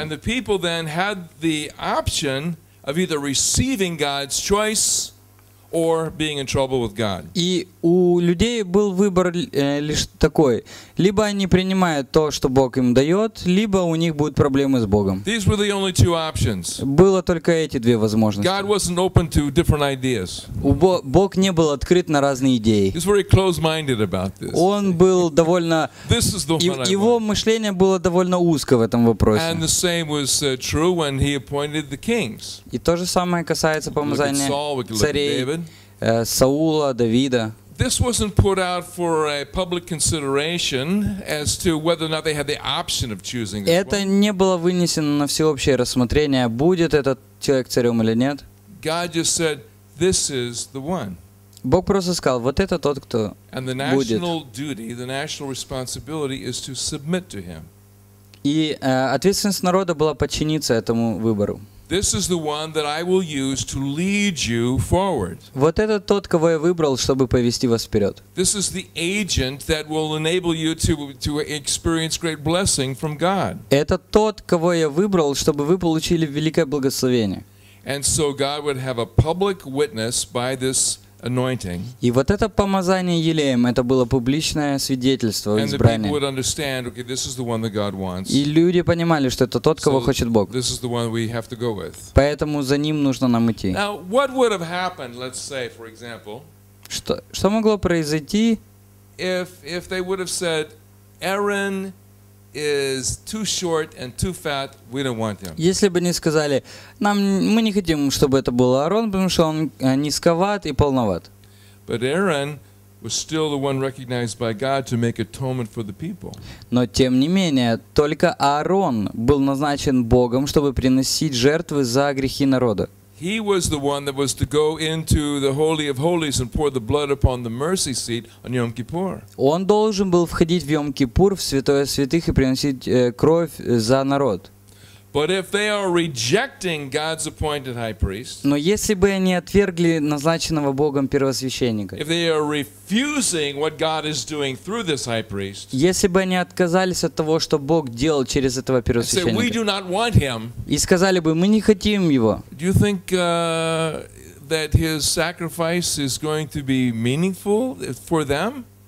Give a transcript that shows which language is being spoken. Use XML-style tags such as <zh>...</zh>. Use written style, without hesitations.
<en>And the people then had the option of either receiving God's choice or being in trouble with God.</en> <ru>И у людей был выбор лишь такой: либо они принимают то, что Бог им дает, либо у них будут проблемы с Богом.</ru> <en>These were the only two options.</en> <ru>Было только эти две возможности.</ru> <en>God wasn't open to different ideas.</en> <ru>Бог не был открыт на разные идеи.</ru> <en>He's very close-minded about this.</en> <ru>Он был довольно.</ru> <en>This is the one I want.</en> <ru>Его мышление было довольно узко в этом вопросе.</ru> <en>And the same was true when he appointed the kings.</en> <ru>И то же самое касается помазания царей. Саула, Давида.</ru> <en>This wasn't put out for a public consideration as to whether or not they had the option of choosing.</en> <ru>Это не было вынесено на всеобщее рассмотрение, будет этот человек царем или нет.</ru> <en>God just said, "This is the one."</en> <ru>Бог просто сказал, вот это тот, кто будет.</ru> <en>And the national duty, the national responsibility, is to submit to him.</en> <ru>И ответственность народа была подчиниться этому выбору.</ru> <en>This is the one that I will use to lead you forward.</en> <ru>Вот это тот, кого я выбрал, чтобы повести вас вперед.</ru> <en>This is the agent that will enable you to experience great blessing from God.</en> <ru>Это тот, кого я выбрал, чтобы вы получили великое благословение.</ru> <en>And so God would have a public witness by this anointing.</en> <ru>И вот это помазание елеем, это было публичное свидетельство избрания.</ru> <en>And people would understand, okay, this is the one that God wants.</en> <ru>И люди понимали, что это тот, кого хочет Бог.</ru> <en>This is the one we have to go with.</en> <ru>Поэтому за ним нужно нам идти.</ru> <en>Now, what would have happened, let's say, for example,</en> <ru>что могло произойти,</ru> <en>if they would have said, Aaron is too short and too fat, we don't want him.</en> <ru>Если бы не сказали, мы не хотим, чтобы это был Аарон, потому что он низковат и полноват.</ru> <en>But Aaron was still the one recognized by God to make atonement for the people.</en> <ru>Но тем не менее, только Аарон был назначен Богом, чтобы приносить жертвы за грехи народа.</ru> <en>He was the one that was to go into the Holy of Holies and pour the blood upon the mercy seat on Yom Kippur.</en> <ru>Он должен был входить в Йом-Кипур, в святое святых, и приносить кровь за народ.</ru> <en>But if they are rejecting God's appointed high priest,</en> <ru>но если бы они отвергли назначенного Богом первосвященника,</ru> <en>if they are refusing what God is doing through this high priest,</en> <ru>если бы они отказались от того, что Бог делал через этого первосвященника,</ru> <en>and say, we do not want him,</en> <ru>и сказали бы, мы не хотим его,</ru> <en>do you think that his sacrifice is going to be meaningful for them?</en>